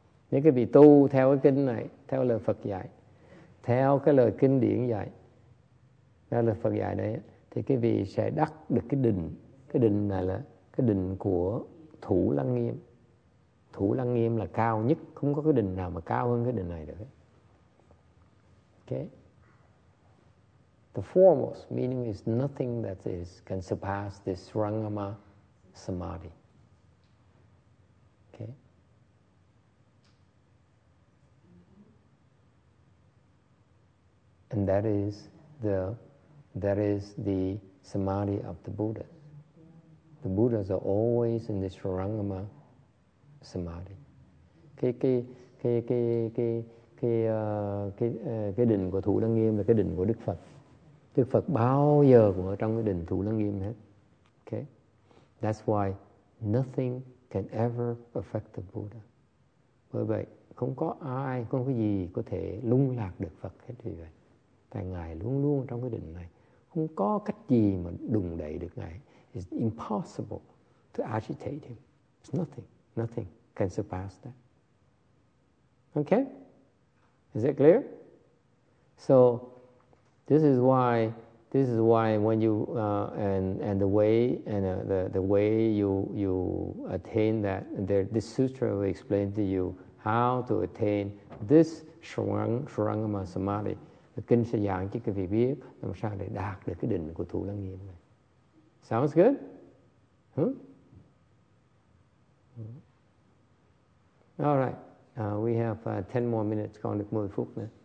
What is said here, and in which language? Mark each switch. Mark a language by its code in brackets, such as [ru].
[vi] Nếu quý vị tu theo cái kinh này, theo lời Phật dạy, theo cái lời kinh điển dạy, theo lời Phật dạy đấy, thì quý vị sẽ đắc được cái định. Cái định này là cái định của Thủ Lăng Nghiêm. Thủ Lăng Nghiêm là cao nhất, không có cái định nào mà cao hơn cái định này được. [en] Okay. The foremost meaning is nothing that is can surpass this Srangama Samadhi. And that is the samadhi of the Buddha. The Buddhas are always in the Srirangama samadhi. [vi] Cái định của Thủ Lăng Nghiêm là cái định của Đức Phật. Đức Phật bao giờ cũng ở trong cái định Thủ Lăng Nghiêm hết. [en] Okay, that's why nothing can ever affect the Buddha. [vi] Bởi vậy, không có ai, không có gì có thể lung lạc được Phật hết vì vậy. Tại Ngài luôn luôn trong cái định này. Không có cách gì mà đùng đẩy được Ngài. [en] It's impossible to agitate him. It's nothing. Nothing can surpass that. Okay? Is it clear? So, this is why when you, the way you attain that, this sutra will explain to you how to attain this Srirangama Samadhi. [vi] Kinh sẽ giảng cho quý vị biết làm sao để đạt được cái định của Thủ Lăng Nghiêm này. [en] Sounds good? All right. We have 10 more minutes, [vi] còn được 10 phút nữa.